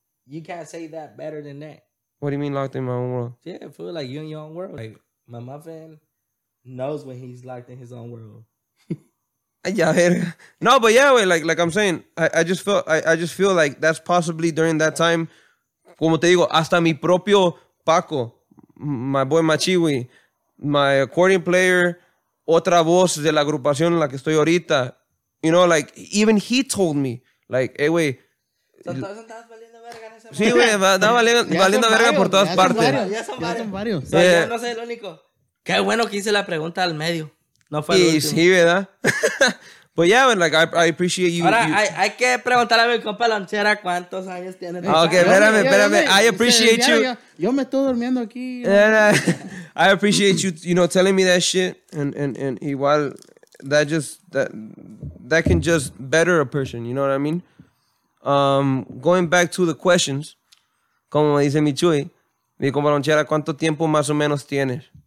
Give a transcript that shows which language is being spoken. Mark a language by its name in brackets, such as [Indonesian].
[English] You can't say that better than that. What do you mean locked in my own world? Yeah, I feel like you in your own world. Like, my muffin knows when he's locked in his own world. No, but yeah, güey, like I'm saying, I just feel like that's possibly during that time... [Spanish] Como te digo, hasta mi propio Paco, [English] my boy Machiwi, my accordion player, [Spanish] otra voz de la agrupación en la que estoy ahorita. [English] You know, like, even he told me, like, hey, güey. [Spanish] Todos andabas valiendo verga en ese momento. Sí, güey, andaba valiendo verga por todas partes. Ya son varios. Yeah. Yo no soy el único. Qué bueno que hice la pregunta al medio. No fue el último. Sí, ¿verdad? [English] But yeah, man, like, I appreciate you. [Spanish] Ahora, [English] you. [Spanish] Hay que preguntarle a mi compa Lonchera cuántos años tiene. [English] Okay, [Spanish] espérame. [English] I appreciate you. [Spanish] Yo me estoy durmiendo aquí. [English] I appreciate you, you know, telling me that shit. And igual, that can just better a person, you know what I mean? Going back to the questions, [Spanish] como dice mi Chuy, mi compa Lonchera, ¿cuánto tiempo más o menos tienes?